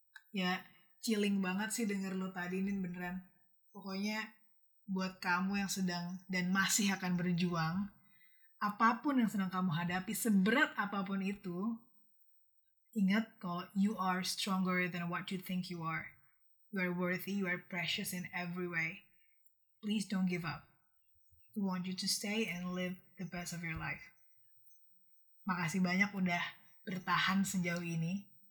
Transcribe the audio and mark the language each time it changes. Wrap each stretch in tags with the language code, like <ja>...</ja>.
<id>Ya, chilling banget sih denger lo tadi, Nin, beneran. Pokoknya, buat kamu yang sedang dan masih akan berjuang, apapun yang sedang kamu hadapi, seberat apapun itu, ingat kalau you are stronger than what you think you are.</id> <en>You are worthy, you are precious in every way. Please don't give up. We want you to stay and live the best of your life.</en> <id>Makasih banyak udah bertahan sejauh ini.</id>